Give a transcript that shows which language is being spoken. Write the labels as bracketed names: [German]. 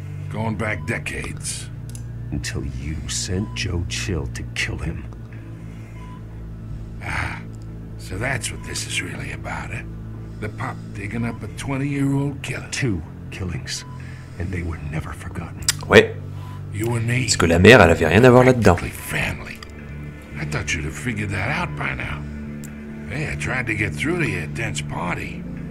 [English] Going back decades. Until you sent Joe Chill to kill him. So that's what this is really about, eh? The pup digging up a 20-year-old killer. Two killings. And they were never forgotten. [French] Ouais. Parce que la mère, elle avait rien à voir là-dedans. [English] I thought you'd have figured that out by now. Hey, I tried to get through to your dense party.